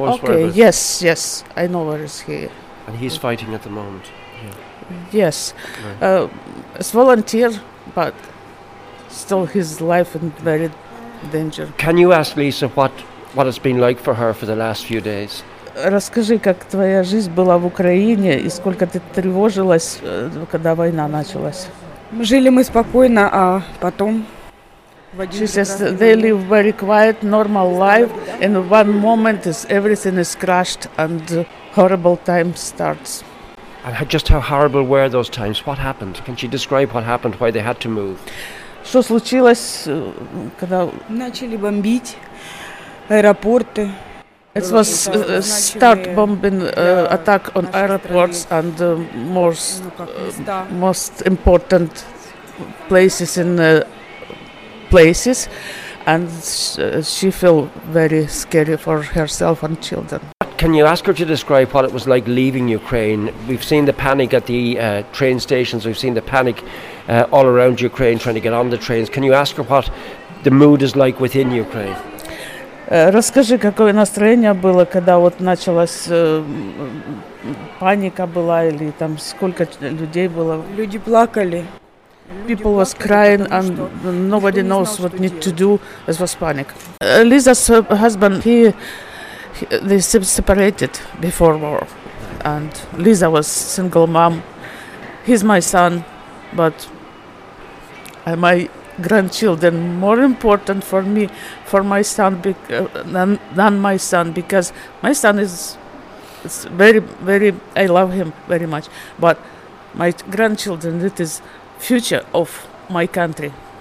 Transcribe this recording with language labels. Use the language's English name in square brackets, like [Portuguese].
[English] where? Okay. Yes, yes. I know where is he. And he's fighting at the moment. Yeah. Yes. Right. It's volunteer, but still his life in very danger. Can you ask Lisa what it's been like for her for the last few days? [Russian] Расскажи, как твоя жизнь была в Украине и сколько ты тревожилась, когда война началась. Жили мы спокойно, а потом. [English] She says they live very quiet, normal life. In one moment, everything is crushed and horrible time starts. And just how horrible were those times? What happened? Can she describe what happened? Why they had to move? [Russian] Что случилось, когда начали бомбить аэропорты? [English] It was start bombing attack on airports and most important places in places, and she felt very scary for herself and children. Can you ask her to describe what it was like leaving Ukraine? We've seen the panic at the train stations. We've seen the panic all around Ukraine trying to get on the trains. Can you ask her what the mood is like within Ukraine? [Russian] Расскажи, какое настроение было, когда вот началась паника была или там сколько людей было? Люди плакали. [English] People was crying and nobody knows what need to do. It was panic. Lisa's husband, they separated before war, and Lisa was single mom. He's my son, but my grandchildren more important for me, for my son, than my son, because my son is very, very I love him very much, but my grandchildren, it is future of my country.